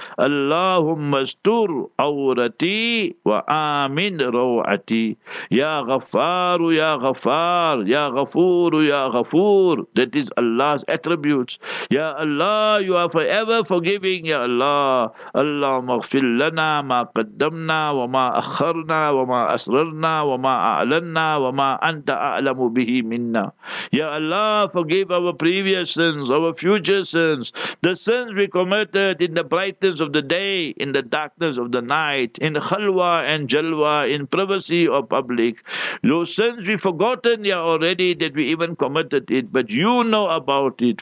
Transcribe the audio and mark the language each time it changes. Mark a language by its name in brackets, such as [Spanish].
[Arabic] Allahumma استر عورتي وآمن روعتي يا غفار يا غفار يا غفور يا غفور. [English] That is Allah's attributes. [Arabic] يا الله, [English] you are forever forgiving. [Arabic] يا الله, اللهم اغفر لنا ما قدمنا وما أخرنا وما أسررنا وما أعلنا وما أنت أعلم به منا. يا الله, [English] forgive our previous sins, our future sins, the sins we committed in the brightness of the day, in the darkness of the night, in khalwa and jalwa, in privacy or public. Those sins we've forgotten, ya, already that we even committed it, but you know about it.